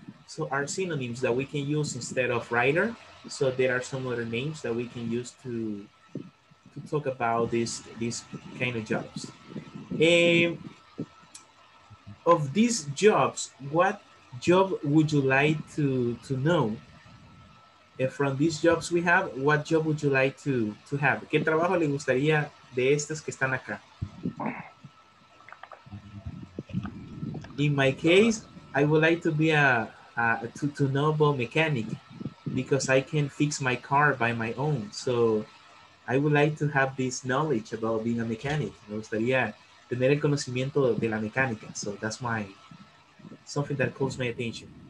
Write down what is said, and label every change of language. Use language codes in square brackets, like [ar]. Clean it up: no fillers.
[en] So our synonyms that we can use instead of writer. So there are some other names that we can use to talk about this kind of jobs. Of these jobs, what job would you like to know? And from these jobs we have, what job would you like to have? [es] ¿Qué trabajo le gustaría de estas que están acá? [en] In my case, I would like to be a noble mechanic because I can fix my car by my own. So I would like to have this knowledge about being a mechanic. [es] Me gustaría tener el conocimiento de la mecánica. [en] So that's my something that calls my attention.